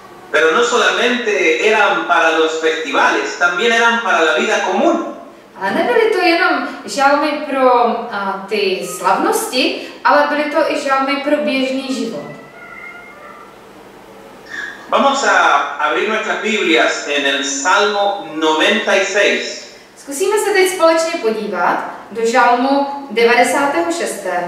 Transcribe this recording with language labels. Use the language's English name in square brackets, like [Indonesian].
[Spanish] Pero no solamente eran para los festivales, también eran para la vida común. [Czech] A nebyly to jenom žalmy pro ty slavnosti, ale byly to i žalmy pro běžný život. [Spanish] Vamos a abrir nuestras Biblias en el Salmo 96. [Czech] Zkusíme se teď společně podívat do Žalmu 96.